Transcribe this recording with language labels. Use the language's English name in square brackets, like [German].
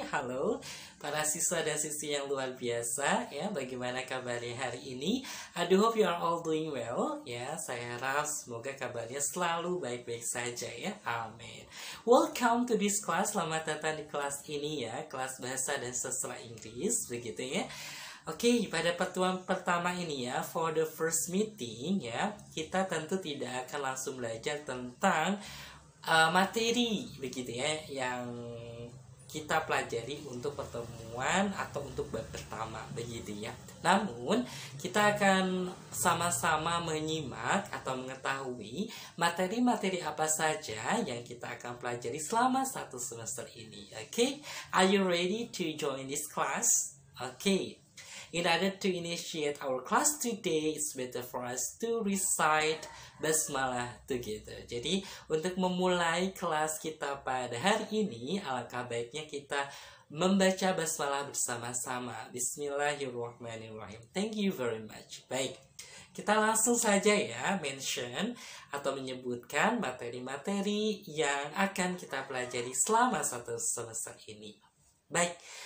[Indonesian] Halo para siswa dan siswi yang luar biasa ya. Bagaimana kabarnya hari ini? [English] I do hope you are all doing well ya. [Indonesian] Saya harap semoga kabarnya selalu baik-baik saja ya. Amin. [English] Welcome to this class. [Indonesian] Selamat datang di kelas ini ya. Kelas bahasa dan sastra Inggris begitu ya. Oke, pada pertemuan pertama ini ya, [English] for the first meeting [Indonesian] ya, kita tentu tidak akan langsung belajar tentang materi begitu ya yang kita pelajari untuk pertemuan atau untuk bab pertama begitu ya. Namun, kita akan sama-sama menyimak atau mengetahui materi-materi apa saja yang kita akan pelajari selama satu semester ini. [English] Oke, are you ready to join this class? Oke. In order to initiate our class today, it's better for us to recite basmalah together. [Indonesian] Jadi, untuk memulai kelas kita pada hari ini, alangkah baiknya kita membaca basmalah bersama-sama. Bismillahirrahmanirrahim. [English] Thank you very much. [Indonesian] Baik, kita langsung saja ya mention atau menyebutkan materi-materi yang akan kita pelajari selama satu semester ini. Baik.